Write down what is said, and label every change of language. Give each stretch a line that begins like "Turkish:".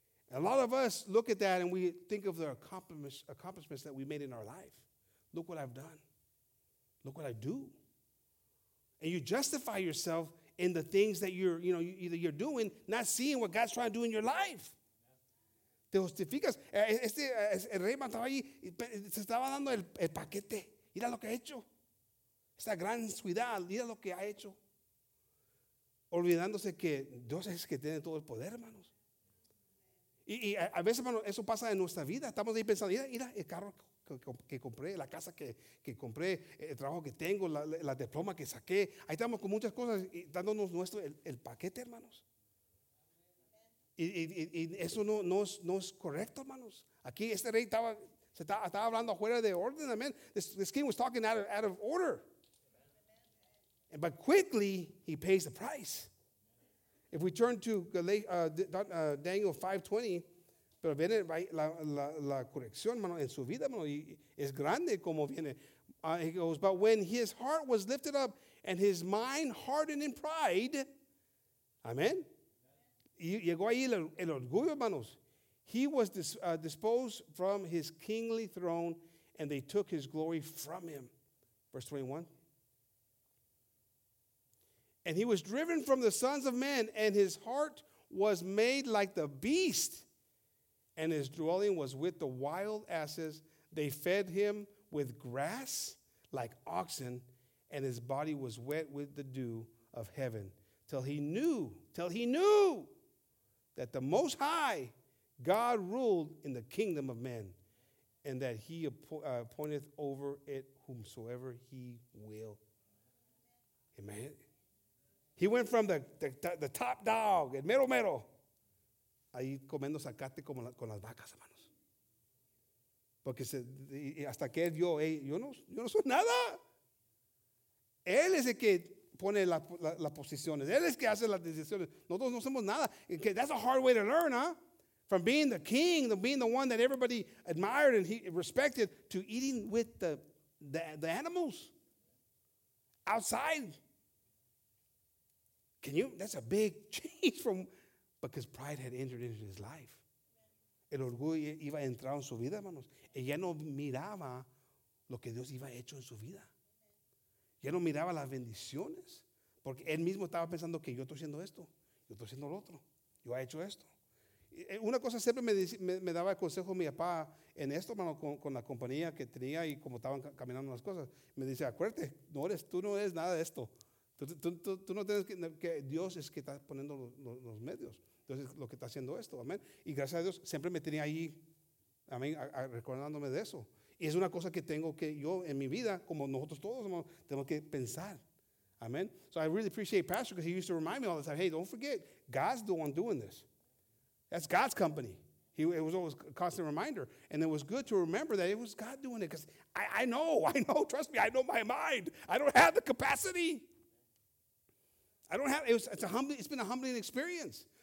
English: And a lot of us look at that and we think of the accomplishments that we made in our life. Look what I've done. Look what I do. And you justify yourself in the things that you're doing, not seeing what God's trying to do in your life.
Spanish: Te justificas. El rey mandaba ahí, se estaba dando el paquete. Mira lo que ha hecho. Esta gran ciudad, mira lo que ha hecho. Olvidándose que Dios es el que tiene todo el poder, hermanos. Y a veces, hermanos, eso pasa en nuestra vida. Estamos ahí pensando, mira el carro que compré, la casa que compré, el trabajo que tengo, la diploma que saqué. Ahí estamos con muchas cosas y dándonos nuestro el paquete, hermanos. Y eso no es correcto, hermanos. Aquí este rey estaba hablando afuera de orden, amén.
English: This king was talking out of order. But quickly, he pays the price. If we turn to Daniel 5:20,
Spanish: pero viene la corrección, mano, en su vida, mano, es grande como viene.
English: He goes, but when his heart was lifted up and his mind hardened in pride, amen,
Spanish: llegó ahí el orgullo, hermanos,
English: he was disposed from his kingly throne and they took his glory from him. Verse 21. And he was driven from the sons of men, and his heart was made like the beast, and his dwelling was with the wild asses. They fed him with grass like oxen, and his body was wet with the dew of heaven, till he knew that the Most High God ruled in the kingdom of men, and that he appointeth over it whomsoever he will. Amen. He went from the top dog,
Spanish: el mero mero. Ahí comiendo zacate con las vacas, hermanos. Porque hasta que él vio, hey, yo no soy nada. Él es el que pone las posiciones. Él es el que hace las decisiones. Nosotros no somos nada.
English: That's a hard way to learn, huh? From being the king, to being the one that everybody admired and he respected, to eating with the animals outside. Can you? That's a big change from, because pride had entered into his life.
Spanish: El orgullo iba a entrar en su vida, hermanos. Y ya no miraba lo que Dios iba hecho en su vida. Ya no miraba las bendiciones. Porque él mismo estaba pensando que yo estoy haciendo esto. Yo estoy haciendo lo otro. Yo he hecho esto. Una cosa siempre me daba el consejo mi papá en esto, hermano, con la compañía que tenía y cómo estaban caminando las cosas. Me dice, acuérdate, no eres, tú no eres nada de esto. Tú no tienes que Dios es que está poniendo los medios. Entonces, lo que está haciendo esto, amén. Y gracias a Dios, siempre me tenía ahí, amén, recordándome de eso. Y es una cosa que tengo que yo en mi vida, como nosotros todos, hermano, tengo que pensar. Amén.
English: So, I really appreciate Pastor because he used to remind me all the time, hey, don't forget, God's the one doing this. That's God's company. It was always a constant reminder. And it was good to remember that it was God doing it because I know, trust me, I know my mind. I don't have the capacity. I don't have, it's been a humbling experience.